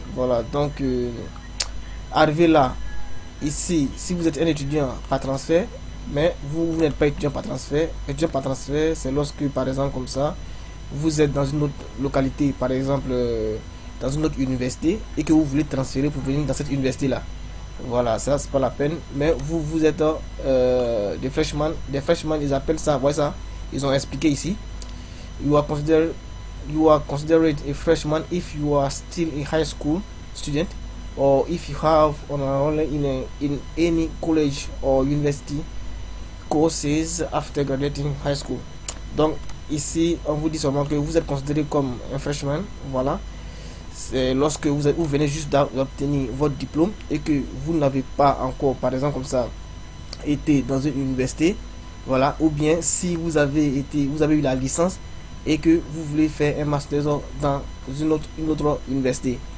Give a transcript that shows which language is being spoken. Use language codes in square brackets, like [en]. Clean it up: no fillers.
[fr] Voilà, donc arrivé là, ici, si vous êtes un étudiant par transfert, mais vous n'êtes pas étudiant par transfert, c'est lorsque, par exemple, comme ça, vous êtes dans une autre localité, par exemple. Dans une autre université et que vous voulez transférer pour venir dans cette université-là. Voilà, ça c'est pas la peine. Mais vous êtes des freshmen. Des freshmen, ils appellent ça, voyez ça. Ils ont expliqué ici. [en] You are considered a freshman if you are still a high school student or if you have enrolled in any college or university courses after graduating high school. [fr] Donc ici, on vous dit seulement que vous êtes considéré comme un freshman. Voilà. C'est lorsque vous venez juste d'obtenir votre diplôme et que vous n'avez pas encore, par exemple comme ça, été dans une université, voilà, ou bien si vous avez eu la licence et que vous voulez faire un master dans une autre université.